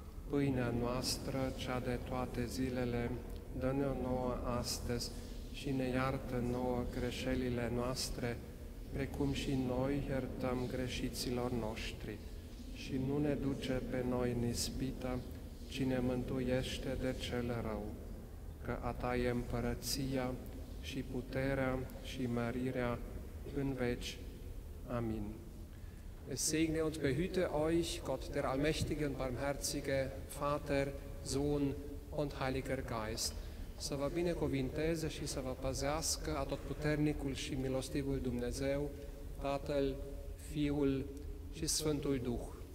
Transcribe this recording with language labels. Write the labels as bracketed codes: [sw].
[ro] Pâinea noastră, cea de toate zilele, dă-ne-o nouă astăzi și ne iartă nouă greșelile noastre, precum și noi iertăm greșiților noștri. Și nu ne duce pe noi în ispită, ci ne mântuiește de cel rău, că a Ta e împărăția și puterea și mărirea în veci. Amin. [de] Es segne und behüte euch Gott, der allmächtige und barmherzige Vater, Sohn und Heiliger Geist. [ro] Să vă binecuvinteze și să vă păzească atotputernicul și milostivul Dumnezeu, Tatăl, Fiul și Sfântul Duh.